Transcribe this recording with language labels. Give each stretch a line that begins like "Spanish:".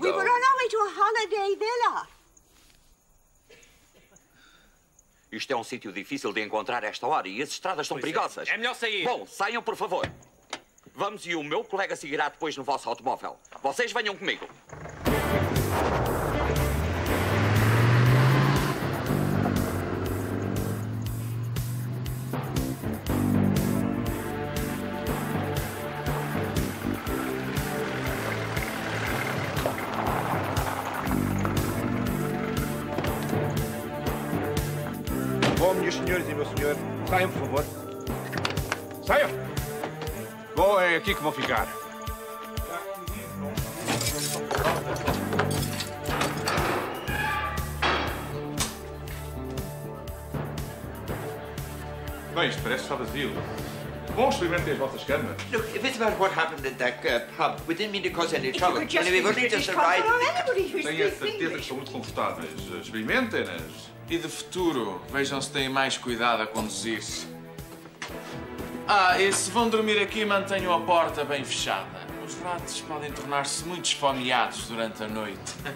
English: We were on our way to a holiday villa.
Portuguese: Isto é sítio difícil de encontrar esta hora e as estradas são perigosas. É melhor sair. Bom, saiam, por favor. Vamos e o meu colega seguirá depois no vosso automóvel. Vocês venham comigo. Meus senhores e meu senhor, saiam, por favor. Saiam! Bom, é aqui que vou ficar. Bem, isto parece só vazio. Bom, experimentem as vossas câmaras.
English: Look, if it's about what happened at that pub, we didn't mean to cause any trouble. If you could just be British or anybody who speaks English.
Portuguese: Tenho a certeza que são muito confortáveis. Experimentem-nas. E de futuro, vejam se têm mais cuidado a conduzir-se. Ah, e se vão dormir aqui, mantenham a porta bem fechada. Os ratos podem tornar-se muito esfomeados durante a noite.